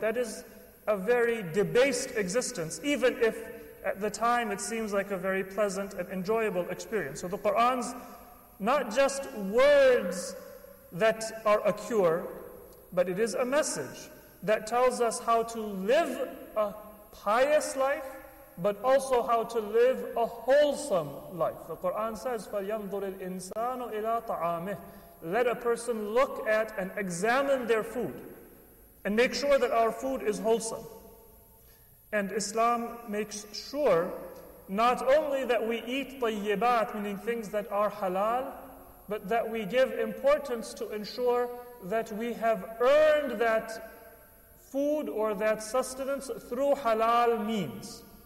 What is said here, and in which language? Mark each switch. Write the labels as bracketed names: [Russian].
[English] That is a very debased existence, even if at the time it seems like a very pleasant and enjoyable experience. So the Qur'an's not just words that are a cure, but it is a message that tells us how to live a pious life, but also how to live a wholesome life. The Qur'an says, [Arabic] فَلْيَنْظُرِ الْإِنسَانُ إِلَىٰ طَعَامِهِ. [English] Let a person look at and examine their food and make sure that our food is wholesome. And Islam makes sure not only that we eat طَيِّبَات, meaning things that are halal, but that we give importance to ensure that we have earned that food or that sustenance through halal means.